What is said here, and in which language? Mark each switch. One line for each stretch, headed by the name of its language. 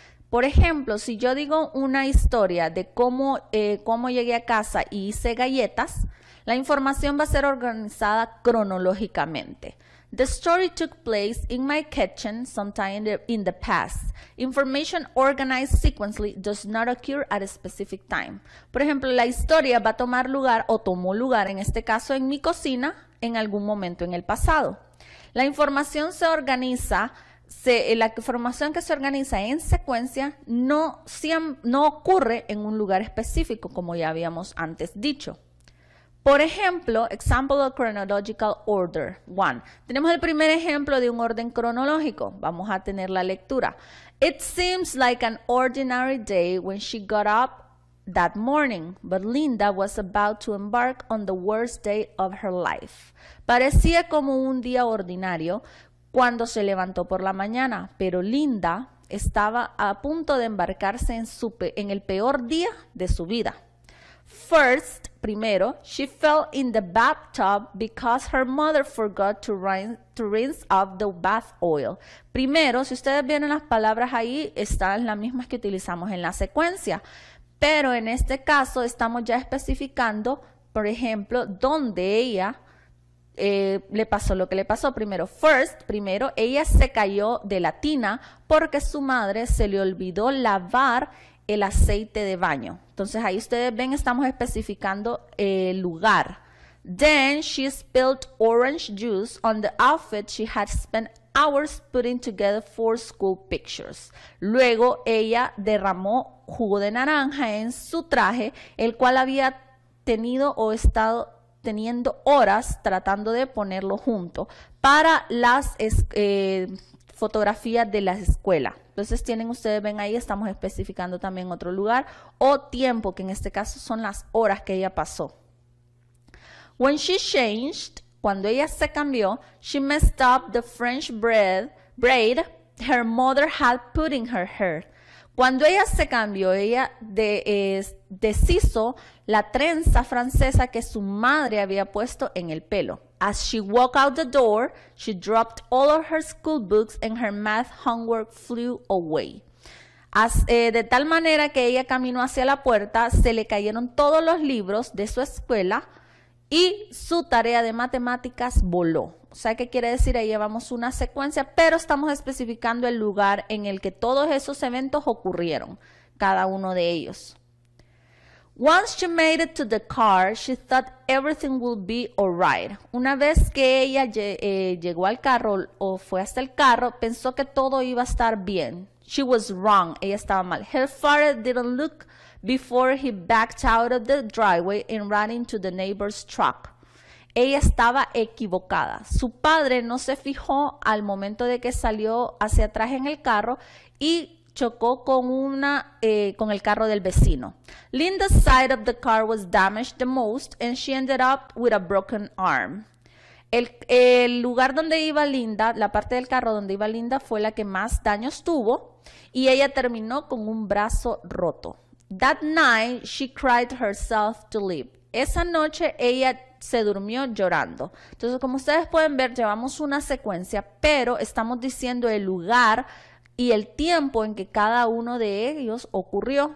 Spanish: Por ejemplo, si yo digo una historia de cómo llegué a casa y hice galletas, la información va a ser organizada cronológicamente.
English: The story took place in my kitchen sometime in the past. Information organized sequentially does not occur at a specific time.
Spanish: Por ejemplo, la historia va a tomar lugar o tomó lugar, en este caso en mi cocina, en algún momento en el pasado. La información se organiza, la información que se organiza en secuencia no ocurre en un lugar específico, como ya habíamos antes dicho. Por ejemplo,
English: example of chronological order, one.
Spanish: Tenemos el primer ejemplo de un orden cronológico. Vamos a tener la lectura.
English: It seems like an ordinary day when she got up that morning, but Linda was about to embark on the worst day of her life.
Spanish: Parecía como un día ordinario cuando se levantó por la mañana, pero Linda estaba a punto de embarcarse en el peor día de su vida.
English: First,
Spanish: primero,
English: she fell in the bathtub because her mother forgot to rinse off the bath oil.
Spanish: Primero, si ustedes vieron las palabras ahí, están las mismas que utilizamos en la secuencia. Pero en este caso estamos ya especificando, por ejemplo, dónde ella le pasó lo que le pasó. Primero, ella se cayó de la tina porque su madre se le olvidó lavar el aceite de baño. Entonces ahí ustedes ven, estamos especificando el lugar.
English: Then she spilled orange juice on the outfit she had spent hours putting together for school pictures.
Spanish: Luego ella derramó jugo de naranja en su traje, el cual había tenido o estado teniendo horas tratando de ponerlo junto para las fotografías de la escuela. Entonces tienen, ustedes ven ahí, estamos especificando también otro lugar o tiempo, que en este caso son las horas que ella pasó.
English: When she changed,
Spanish: cuando ella se cambió,
English: she messed up the French braid her mother had put in her hair.
Spanish: Cuando ella se cambió, ella deshizo la trenza francesa que su madre había puesto en el pelo.
English: As she walked out the door, she dropped all of her school books and her math homework flew away.
Spanish: De tal manera que ella caminó hacia la puerta, se le cayeron todos los libros de su escuela y su tarea de matemáticas voló. O sea, ¿qué quiere decir? Ahí llevamos una secuencia, pero estamos especificando el lugar en el que todos esos eventos ocurrieron, cada uno de ellos.
English: Once she made it to the car, she thought everything would be all right.
Spanish: Una vez que ella llegó al carro o fue hasta el carro, pensó que todo iba a estar bien.
English: She was wrong.
Spanish: Ella estaba mal.
English: Her father didn't look before he backed out of the driveway and ran into the neighbor's truck.
Spanish: Ella estaba equivocada. Su padre no se fijó al momento de que salió hacia atrás en el carro y chocó con con el carro del vecino.
English: Linda's side of the car was damaged the most and she ended up with a broken arm.
Spanish: El lugar donde iba Linda, la parte del carro donde iba Linda, fue la que más daños tuvo y ella terminó con un brazo roto.
English: That night, she cried herself to sleep.
Spanish: Esa noche, ella se durmió llorando. Entonces, como ustedes pueden ver, llevamos una secuencia, pero estamos diciendo el lugar y el tiempo en que cada uno de ellos ocurrió.